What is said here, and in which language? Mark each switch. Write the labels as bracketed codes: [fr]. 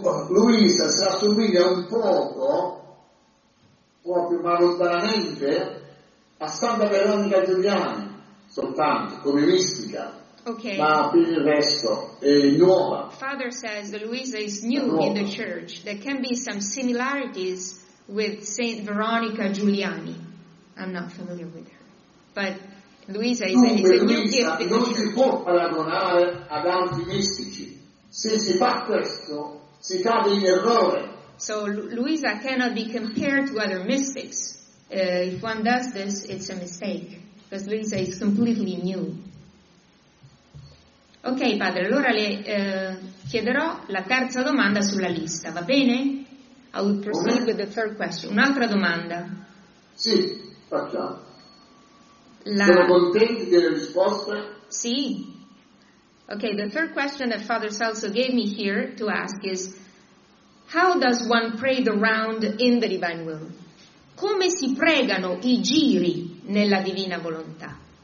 [it] Luisa si assomiglia un poco, proprio ma lontanamente, a Santa Veronica Giuliani, soltanto, come mistica. [en] Okay. [it] Ma per il resto è nuova. [en] Father says that Luisa is new in the church. There can be some similarities with Saint Veronica Giuliani. I'm not familiar with her. But Luisa is a new gift. [it] Non si può paragonare ad altri mistici. Se si fa questo, si cade in errore. [en] So Luisa cannot be compared to other mystics. If one does this, it's a mistake. Because Luisa is completely new. [it] Ok, padre, allora le chiederò la terza domanda sulla lista, va bene? [en] I will proceed with the third question. [it] Un'altra domanda. Sì, facciamo. Sono contenti delle risposte? Sì. [en] Okay, the third question that Father Celso gave me here to ask is, how does one pray the round in the divine will? [it] Come si pregano i giri nella divina volontà?